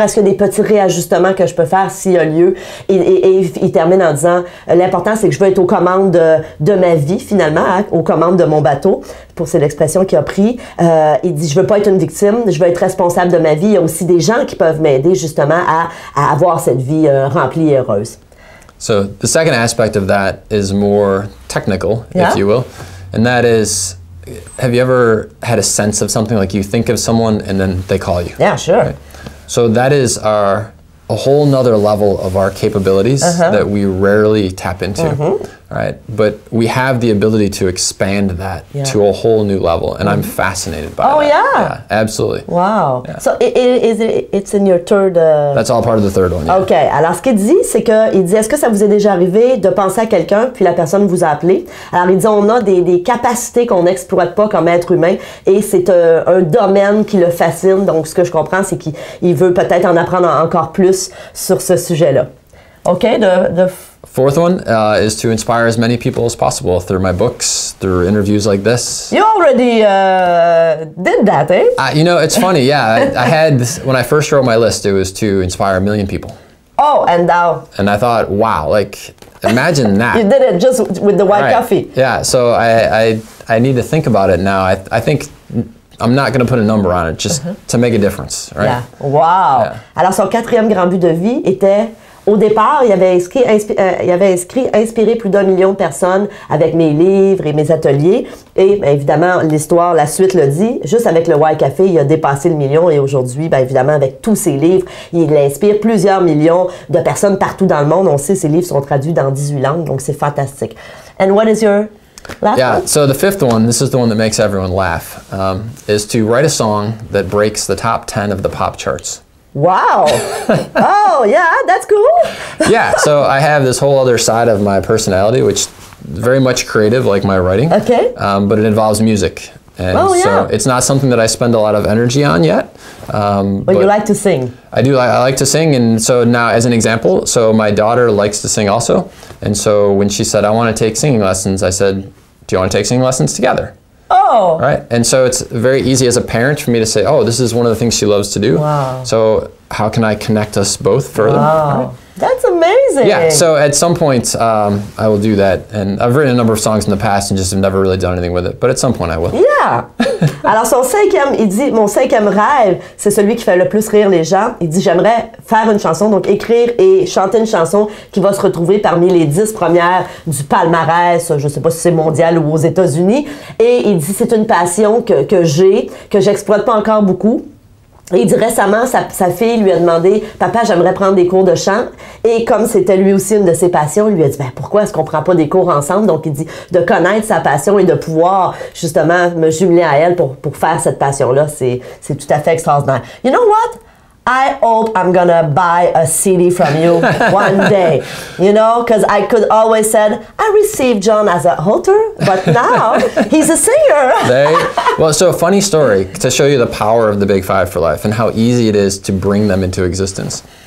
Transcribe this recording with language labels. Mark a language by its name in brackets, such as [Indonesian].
[French] Est-ce qu'il y a des petits réajustements que je peux faire s'il y a lieu? Et il termine en disant, l'important, c'est que je veux être aux commandes de ma vie, finalement, hein, aux commandes de mon bateau. C'est l'expression qu'il a pris. Il dit, je veux pas être une victime, je veux être responsable de ma vie. Il y a aussi des gens qui peuvent m'aider, justement, à avoir cette vie remplie et heureuse. [English] So, the second aspect of that is more technical, yeah, if you will. And that is, have you ever had a sense of something, like you think of someone and then they call you? Yeah, sure. Right? So that is a whole nother level of our capabilities, uh-huh, that we rarely tap into. Mm-hmm. Right? But we have the ability to expand that, yeah, to a whole new level, and mm-hmm, I'm fascinated by, oh, Oh, yeah. Yeah, absolutely. Wow. Yeah. So it's in your third... That's all part of the third one, yeah. Okay. [French] Alors, ce qu'il dit, c'est qu'il dit, est-ce que ça vous est déjà arrivé de penser à quelqu'un, puis la personne vous a appelé? Alors, il dit, on a des capacités qu'on n'exploite pas comme être humain, et c'est un domaine qui le fascine. Donc, ce que je comprends, c'est qu'il veut peut-être en apprendre encore plus sur ce sujet-là. [English] Okay, Fourth one is to inspire as many people as possible through my books, through interviews like this. You already did that, eh? You know, it's funny, yeah. I had, when I first wrote my list, it was to inspire a million people. Oh, and now? And I thought, wow, like, imagine that. You did it just with the white, right, coffee. Yeah, so I need to think about it now. I think I'm not going to put a number on it, just, uh-huh, to make a difference, right? Yeah, wow. Yeah. [French] Alors, son quatrième grand but de vie était... Au départ, il avait inscrit, inspiré plus d'un million de personnes avec mes livres et mes ateliers. Et bien, évidemment, l'histoire, la suite le dit, juste avec le White Café, il a dépassé le million. Et aujourd'hui, bien évidemment, avec tous ses livres, il inspire plusieurs millions de personnes partout dans le monde. On sait, ses livres sont traduits dans 18 langues, donc c'est fantastique. [English] And what is your last, yeah, one? So the fifth one, this is the one that makes everyone laugh, is to write a song that breaks the top 10 of the pop charts. Wow. Oh, yeah, that's cool. Yeah, so I have this whole other side of my personality, which is very much creative, like my writing. Okay. But it involves music. And, oh, yeah. So it's not something that I spend a lot of energy on yet. But you like to sing. I do. I like to sing. And so now, as an example, so my daughter likes to sing also. And so when she said, I want to take singing lessons, I said, do you want to take singing lessons together? Oh. Right. And so it's very easy as a parent for me to say, oh, this is one of the things she loves to do. Wow. So how can I connect us both further? Wow. Right. That's amazing. Yeah. So at some point, I will do that. And I've written a number of songs in the past and just have never really done anything with it. But at some point, I will. Yeah. [French] Alors, son cinquième, il dit, mon cinquième rêve, c'est celui qui fait le plus rire les gens. Il dit, j'aimerais faire une chanson, donc écrire et chanter une chanson qui va se retrouver parmi les 10 premières du palmarès, je ne sais pas si c'est mondial ou aux États-Unis. Et il dit, c'est une passion que j'ai, que j'exploite pas encore beaucoup. Et il dit récemment, sa fille lui a demandé, papa, j'aimerais prendre des cours de chant. Et comme c'était lui aussi une de ses passions, il lui a dit, ben, pourquoi est-ce qu'on prend pas des cours ensemble? Donc, il dit, de connaître sa passion et de pouvoir, justement, me jumeler à elle pour faire cette passion-là, c'est tout à fait extraordinaire. [English] You know what? I hope I'm gonna buy a CD from you one day. You know, because I could always said, I received John as a author, but now he's a singer. Well, so a funny story to show you the power of the Big Five for Life and how easy it is to bring them into existence.